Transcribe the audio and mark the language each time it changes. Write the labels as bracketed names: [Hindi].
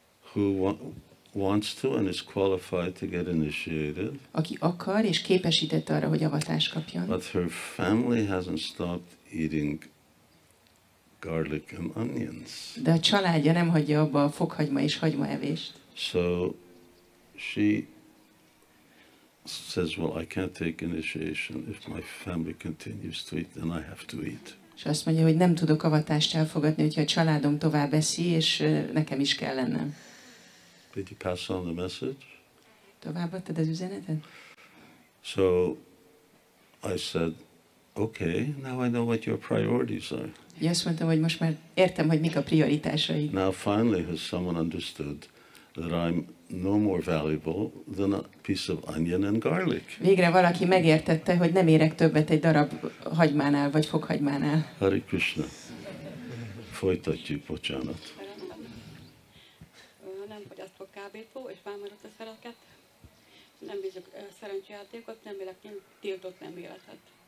[English] who wants to and is qualified to get initiated. [Hungarian] Aki akar és képesített arra, hogy avatást kapjon. [English] But her family hasn't stopped eating garlic and onions. [Hungarian] De a családja nem hagyja abba a fokhagyma és hagyma evést. [English] So she says, well, I can't take initiation if my family continues to eat, then I have to eat. [Hungarian] És azt mondja, hogy nem tudok avatást elfogadni, hogyha a családom tovább eszi, és nekem is kell lennem. [English] Did you pass on the message? [Hungarian] Továbbadtad az üzenetet? [English] So I said, okay, now I know what your priorities are. [Hungarian] Én azt mondtam, hogy most már értem, hogy mik a prioritásai. [English] Now finally has someone understood that I'm no more valuable than a piece of onion and garlic. [Hungarian] Végre valaki megértette, hogy nem érek többet egy darab hagymánál vagy fokhagymánál. Hare Krishna. Folytatjuk, bocsánat. Nem fogyasztok kábító, és felmerült a szereket. Nem bízok szerencsejátékot, nem élek, nem tiltott nem életet.